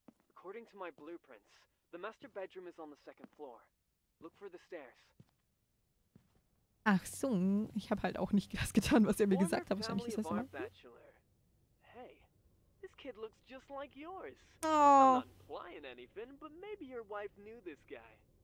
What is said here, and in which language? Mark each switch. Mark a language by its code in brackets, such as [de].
[en] According to my blueprints, the master bedroom is on the second floor. Look for the stairs. [de] Ach so, ich habe halt auch nicht das getan, was er mir gesagt hat. Wahrscheinlich ist das mal. [en] Hey, this kid looks just like yours. Oh. I'm not implying anything, but maybe your wife knew this guy.